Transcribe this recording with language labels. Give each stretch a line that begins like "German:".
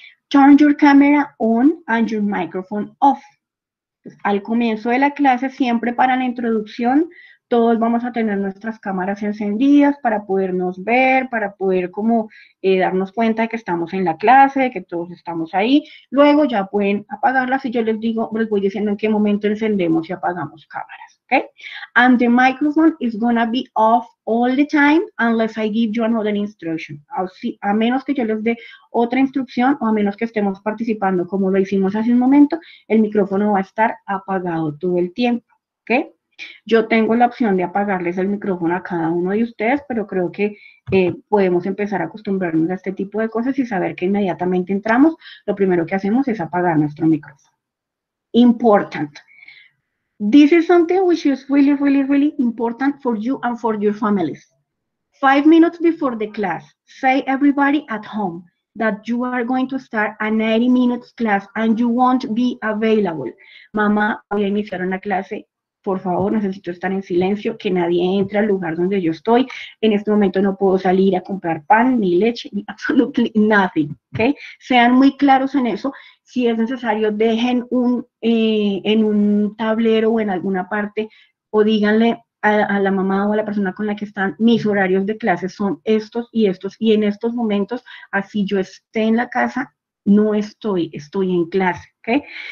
English: Turn your camera on and your microphone off.
Spanish: Entonces, al comienzo de la clase, siempre para la introducción, todos vamos a tener nuestras cámaras encendidas para podernos ver, para poder como darnos cuenta de que estamos en la clase, de que todos estamos ahí. Luego ya pueden apagarlas y yo les digo, les voy diciendo en qué momento encendemos y apagamos cámaras, ¿ok?
English: And the microphone is gonna be off all the time unless I give you another instruction.
Spanish: A menos que yo les dé otra instrucción o a menos que estemos participando como lo hicimos hace un momento, el micrófono va a estar apagado todo el tiempo, ¿ok? Yo tengo la opción de apagarles el micrófono a cada uno de ustedes, pero creo que podemos empezar a acostumbrarnos a este tipo de cosas y saber que inmediatamente entramos, lo primero que hacemos es apagar nuestro micrófono.
English: Important. This is something which is really, really, really important for you and for your families. 5 minutes before the class, say everybody at home that you are going to start a 90-minute class and you won't be available.
Spanish: Mamá, voy a iniciar una clase por favor, necesito estar en silencio, que nadie entre al lugar donde yo estoy. En este momento no puedo salir a comprar pan, ni leche, ni
English: absolutely nothing.
Spanish: ¿Okay? Sean muy claros en eso. Si es necesario, dejen un en un tablero o en alguna parte, o díganle a la mamá o a la persona con la que están, mis horarios de clases son estos y estos, y en estos momentos, así yo esté en la casa, no estoy, estoy en clase, ¿ok?